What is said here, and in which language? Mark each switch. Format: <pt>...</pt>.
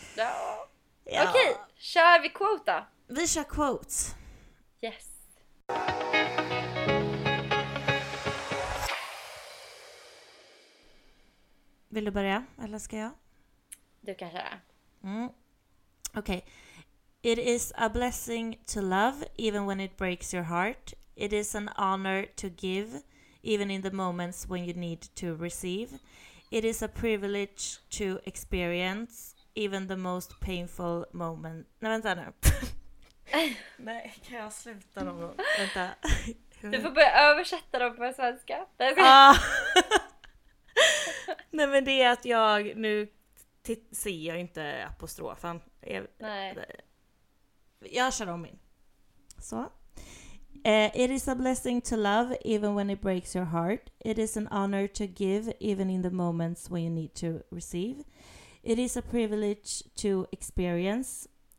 <sv>Ja. Ja. Okej, kör vi quote då? Vi kör quotes.</sv> <en>Yes.</en> <sv>Vill du börja eller ska jag? Du kan köra. Mm. Okej.</sv> <en>It is a blessing to love even when it breaks your heart. It is an honor to give even in the moments when you need to receive. It is a privilege to experience even the most painful moment.</en> <sv>Nej, vänta nu. Nej, kan jag sluta någon gång? Vänta. Du får börja översätta dem på svenska. Nej, men det är att jag nu ser jag inte apostrofen. Nej. Jag kör om min. Så.</sv> <en>It is a blessing to love even when it breaks your heart. It is an honor to give even in the moments when you need to receive. It is a privilege to experience.</en>